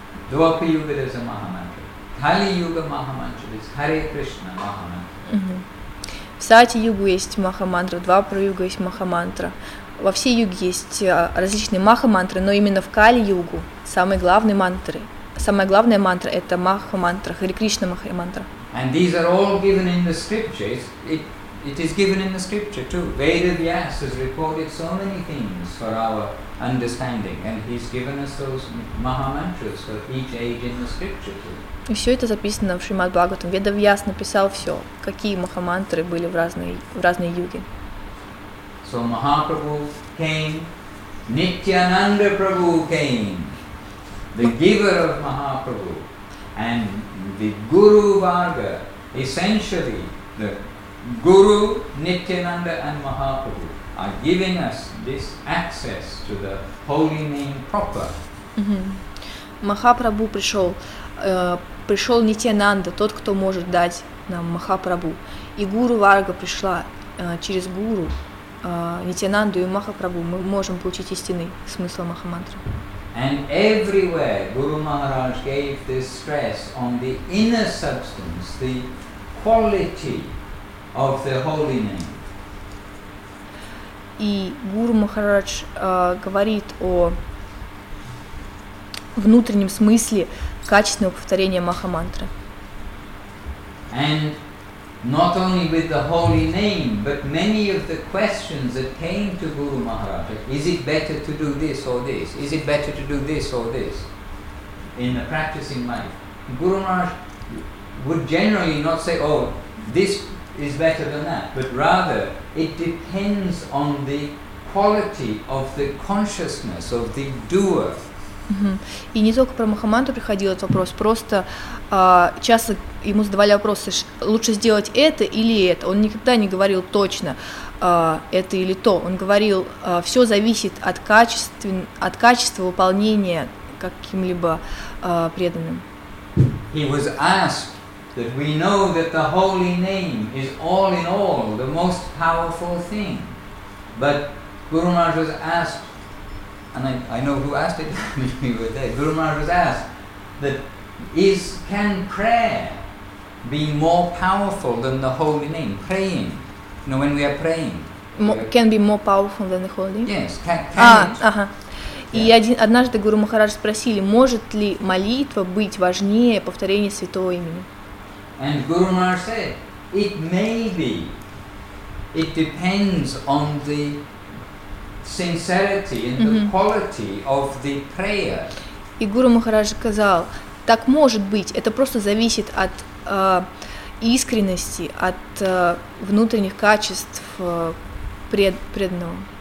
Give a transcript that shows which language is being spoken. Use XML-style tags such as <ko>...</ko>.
<en>Двапа-Юга there is a Маха-мантра. Кали-Юга Маха-мантра is Хари-Кришна-Маха-мантра.</en> <ru>В Сати-Югу есть Маха-мантра, в Двапа-Юга есть Маха-мантра. Во всей Юге есть различные Маха-мантры, но именно в Кали-Югу самой главной мантры. Самая главная мантра – это Маха-мантра, Хари Кришна Маха-мантра.</ru> <en>And these are all given in the scriptures. It is given in the scripture too. Veda Vyas has recorded so many things for our understanding, and he's given us those Maha-mantras for each age in the scripture too.</en> <ru>И все это записано в Шримад Бхагаватам. Веда Вьяс написал все, какие Маха-мантры были в разные юги.</ru> <en>So Mahaprabhu came, Nityananda Prabhu came, the giver of Mahaprabhu, and the Guru Varga, essentially the Guru, Nityananda and Mahaprabhu, are giving us this access to the holy name proper.</en> <ru>Махапрабху пришел, пришел Нитьянанда, тот, кто может дать нам Махапрабху. И Гуру Варга пришла через Гуру Нитьянанду и Махапрабху. Мы можем получить истинный смысл Махамантры.</ru> <en>And everywhere Guru Maharaj gave this stress on the inner substance, the quality of the holy name.</en> <ru>И Гуру Махарадж говорит о внутреннем смысле качественного повторения Махамантры.</ru> <en>And not only with the holy name, but many of the questions that came to Guru Maharaj, is it better to do this or this? Is it better to do this or this? In the practicing life, Guru Maharaj would generally not say, oh, this is better than that, but rather it depends on the quality of the consciousness of the doer.</en> <ru>И не только про Махамантру приходил этот вопрос, просто часто ему задавали вопросы, лучше сделать это или это. Он никогда не говорил точно это или то. Он говорил, все зависит от качества выполнения каким-либо преданным.</ru> <en>He was asked that we know that the holy name is all in all the most powerful thing. But Guru Maharaj was asked, and I know who asked it, we were there. Guru Maharaj was asked that can prayer be more powerful than the holy name? Praying. You know, when we are praying. Can be more powerful than the holy name? Yes. Can it?</en> <ru>И однажды Гуру Махарадж спросили, может ли молитва быть важнее повторения святого имени?</ru> <en>And Guru Maharaj said, it may be. It depends on the sincerity and the quality of the prayer.</en> <ru>И Гуру Махарадж сказал, так может быть, это просто зависит от искренности, от внутренних качеств преданного.</ru>